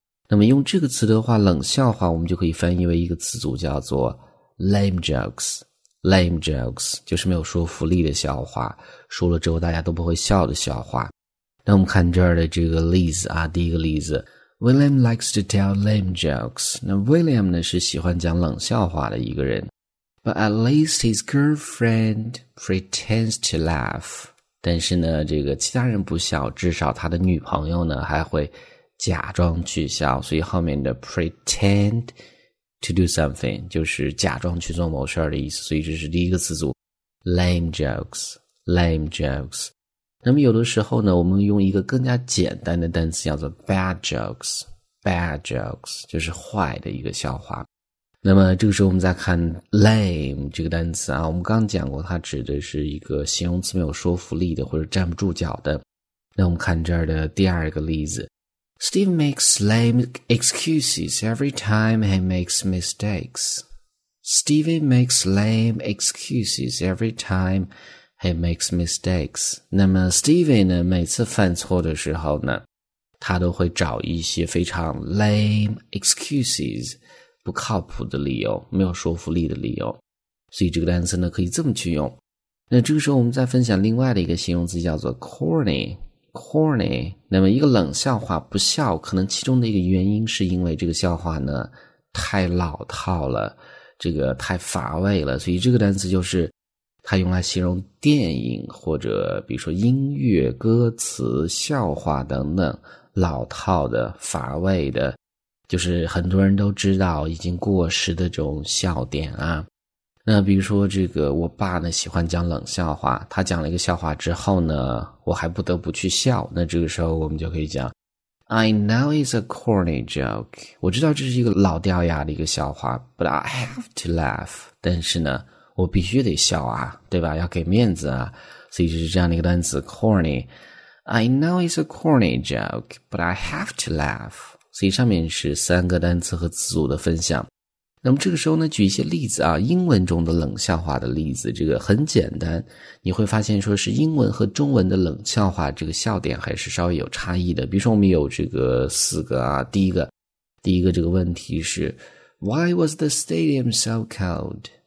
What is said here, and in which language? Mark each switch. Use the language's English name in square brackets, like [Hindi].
[Chinese] 那么用这个词的话，冷笑话我们就可以翻译为一个词组，叫做 lame jokes。 lame jokes 就是没有说服力的笑话，说了之后大家都不会笑的笑话。那我们看这儿的这个例子啊，第一个例子 ， William likes to tell lame jokes。那 William 呢是喜欢讲冷笑话的一个人 ， But at least his girlfriend pretends to laugh。但是呢，这个其他人不笑，至少他的女朋友呢还会假装去笑，所以后面的 pretend to do something 就是假装去做某事的意思。所以这是第一个词组 lame jokes。那么有的时候呢，我们用一个更加简单的单词叫做 bad jokes，就是坏的一个笑话。那么这个时候我们再看 lame 这个单词啊，我们刚讲过它指的是一个形容词没有说服力的或者站不住脚的。 [English] 那我们看这儿的第二个例子 ,Steve makes lame excuses every time he makes mistakes. Steve makes lame excuses every time he makes mistakes. [Chinese] 那么 Steve 呢，每次犯错的时候呢，他都会找一些非常 lame excuses，不靠谱的理由，没有说服力的理由。所以这个单词呢可以这么去用。那这个时候我们再分享另外的一个形容词叫做 corny。那么一个冷笑话不笑，可能其中的一个原因是因为这个笑话呢太老套了，这个太乏味了。所以这个单词就是它用来形容电影或者比如说音乐、歌词、笑话等等老套的、乏味的，就是很多人都知道已经过时的这种笑点啊。那比如说这个我爸呢喜欢讲冷笑话，他讲了一个笑话之后呢我还不得不去笑，那这个时候我们就可以讲 I know it's a corny joke，我知道这是一个老掉牙的一个笑话， But I have to laugh，但是呢我必须得笑啊，对吧，要给面子啊。 [English] 所以就是这样的一个单词 corny， I know it's a corny joke but I have to laugh。 [Chinese] 所以上面是三个单词和词组的分享。那么这个时候呢举一些例子啊，英文中的冷笑话的例子，这个很简单，你会发现说是英文和中文的冷笑话这个笑点还是稍微有差异的。比如说我们有这个四个啊，第一个这个问题是 Why was the stadium so cold?